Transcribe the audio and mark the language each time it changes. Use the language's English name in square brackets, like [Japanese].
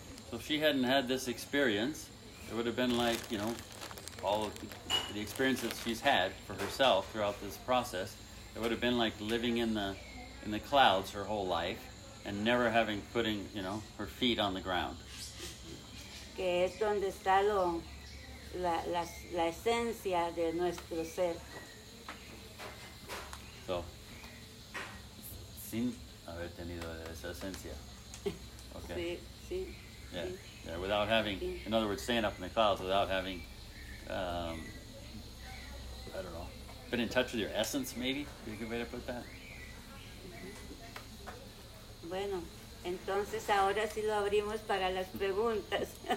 [English] So if she hadn't had this experience, it would have been like, you know, all of the experiences she's had for herself throughout this process, it would have been like living in the clouds her whole life and never having putting, you know, her feet on the ground. [Spanish] Que es donde está la esencia de nuestro ser. So, sin haber tenido esa esencia. Okay. Sí. [English] Yeah. Yeah, without having, in other words, staying up in the clouds, without having, I don't know, been in touch with your essence, maybe? Is that a good way to put that? [Spanish] Bueno, entonces ahora sí lo abrimos para las preguntas.